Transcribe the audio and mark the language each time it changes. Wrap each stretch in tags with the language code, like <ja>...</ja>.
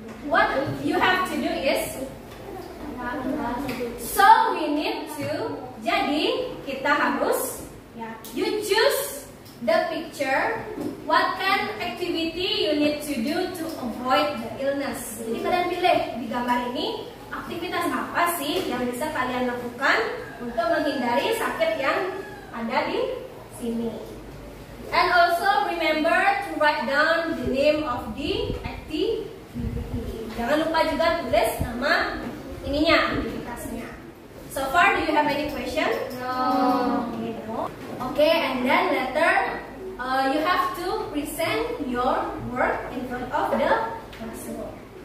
<en>What you have to do is so we need to</en> <id>jadi kita harus</id> <en>you choose the picture what kind of activity you need to do to avoid the illness.</en> <id>Jadi kalian pilih di gambar ini aktivitas apa sih yang bisa kalian lakukan untuk menghindari sakit yang ada di sini.</id> <en>And also remember to write down the name of the activity.</en> <id>Jangan lupa juga tulis nama ininya, aktivitasnya.</id> <en>So far, do you have any question? No. Okay, and then later, you have to present your work in front of the classroom.</en>